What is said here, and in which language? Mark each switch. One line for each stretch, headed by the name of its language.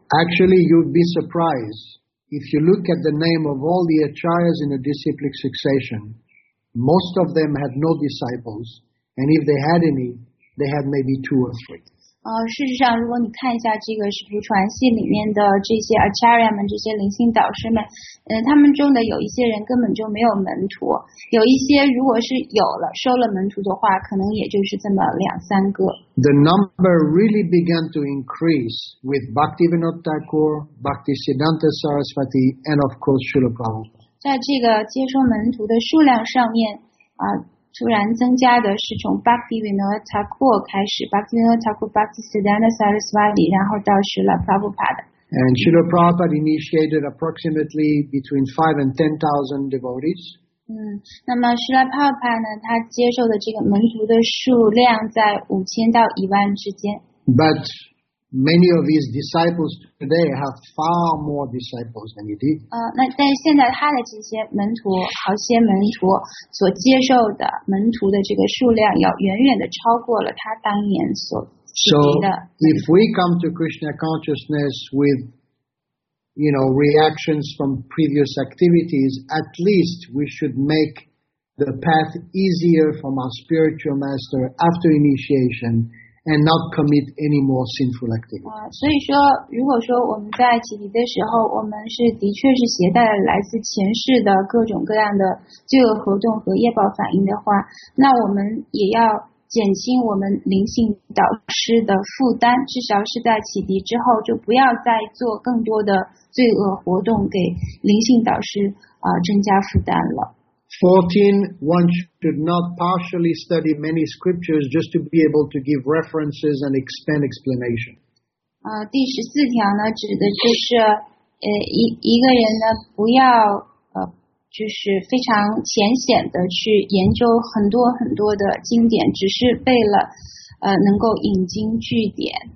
English: Actually, you'd be surprised. if you look at the name of all the acharyas in a disciplic succession, most of them had no disciples, and if they had any, they had maybe two or three.
Chinese: 事实上，如果你看一下这个使徒传系里面的这些 acharya 们，这些灵性导师们，他们中的有一些人根本就没有门徒，有一些如果是有了收了门徒的话，可能也就是这么两三个。
English: The number really began to increase with Bhaktivinoda Thakur, Bhaktisiddhanta Saraswati, and of course Srila Prabhupada.
Chinese: 在这个接收门徒的数量上面，突然增加的是从 Bhaktivinoda Thakur 开始 ，Bhaktivinoda Thakur, Bhaktisiddhanta Saraswati， 然后到 Srila Prabhupada。
English: And Srila Prabhupada initiated approximately between 5,000 and 10,000 devotees。
Chinese: 那么 Srila Prabhupada 呢，他接受的这个门徒的数量在5,000 to 10,000之间。
English: But many of his disciples today have far more disciples than he did.
Chinese: 那但是现在他的这些门徒，好些门徒所接受的门徒的这个数量，要远远的超过了他当年所提的。
English: So if we come to Krishna consciousness with, you know, reactions from previous activities, at least we should make the path easier from our spiritual master after initiation. And not commit any more sinful activity.
Chinese: 所以说，如果说我们在启迪的时候，我们是的确是携带了来自前世的各种各样的罪恶活动和业报反应的话，那我们也要减轻我们灵性导师的负担，至少是在启迪之后，就不要再做更多的罪恶活动，给灵性导师增加负担了。
English: 14. One should not partially study many scriptures just to be able to give references and expand explanation.
Chinese: 第十四条呢，指的就是一个人呢，不要就是非常浅显的去研究很多很多的经典，只是为了能够引经据典，